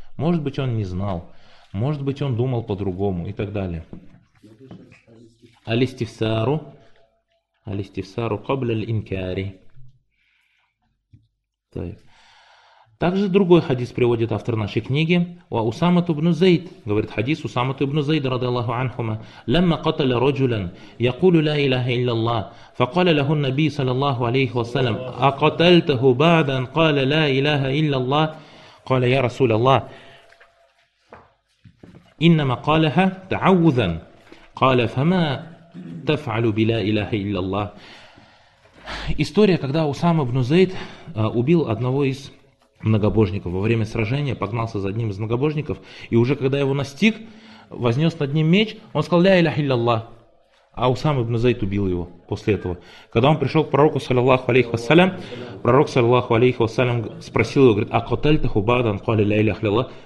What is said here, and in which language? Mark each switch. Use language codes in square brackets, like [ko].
[ru] Может быть, он не знал. Может быть, он думал по-другому и так далее. [ar] Алистифсару. Алистифсару кабляль инкари. [ru] Также другой хадис приводит автор нашей книги. У Усама ибн Зайд, говорит хадис Усама ибн Зайда, [ar] رضي الله عنهما, لما قتل رجلا يقول لا إله إلا الله فقال له النبي صلى الله عليه وسلم أقتلته بعد أن قال لا إله إلا الله قال يا رسول الله إنما قالها تعوذا قال فما تفعل بلا إله إلا الله. [ru] История, когда Усама ибн Зайд убил одного из многобожников, во время сражения погнался за одним из многобожников, и уже когда его настиг, вознес над ним меч, он сказал «Ля иляха илляллах», а Усама ибн Зайд убил его после этого. Когда он пришел к пророку, саллиллаху алейхи вассалям, пророк, саллиллаху алейхи вассалям, спросил его, говорит: [ar] «А каталтаху бадан кали ля иляха илляллах?»